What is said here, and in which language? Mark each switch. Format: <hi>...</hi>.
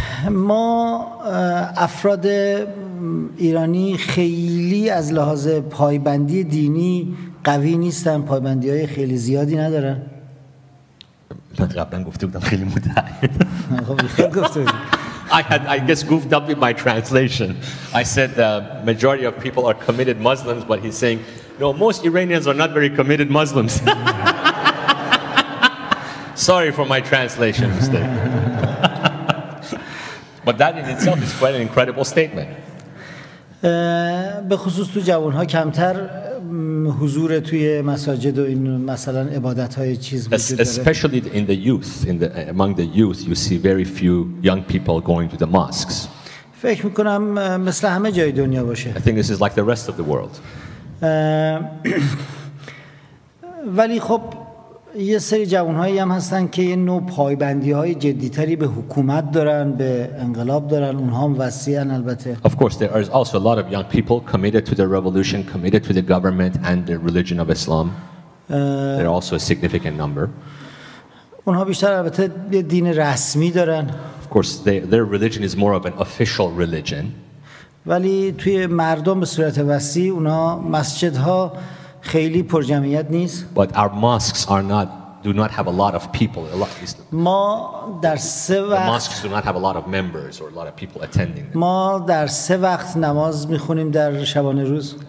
<fa>ما افراد ایرانی خیلی از لحاظ پایبندی دینی قوی نیستن پایبندی های خیلی زیادی ندارن من قبلا گفته بودم خیلی متعهد خب خیلی گفته بودم</fa> <en>I guess goofed up in my translation. I said the majority of people are committed Muslims, but he's saying, no, most Iranians are not very committed Muslims. Sorry for my translation mistake. But that in itself is quite an incredible statement.</en> <fa>به خصوص تو جوان ها کمتر حضور توی مساجد و این مثلا عبادت های چیز وجود داره.</fa> <en>Especially in the youth, among the youth, you see very few young people going to the mosques.</en> <fa>فکر میکنم مثل همه جای دنیا باشه.</fa> <en>I think this is like the rest of the world.</en> <fa>ولی خب یه سری جوان هایی هم هستن که یه نوع پایبندی های جدی تری به حکومت دارن به انقلاب دارن اونها هم وسیعن البته</fa> <en>Of course there is also a lot of young people committed to the revolution committed to the government and the religion of Islam there are also a significant number</en> <fa>اونها بیشتر البته یه دین رسمی دارن</fa> <en>Of course their religion is more of an official religion</en> <fa>ولی توی مردم به صورت وسیع اونها مسجدها خیلی پرجمعیت نیست.</fa> <en>But our mosques are not, do not have a lot of people. A lot,</en> <fa>ما در سه وقت.</fa> <en>The mosques do not have a lot of members or a lot of people attending.</en> <fa>ما در سه وقت نماز میخونیم در شبانه روز.</fa>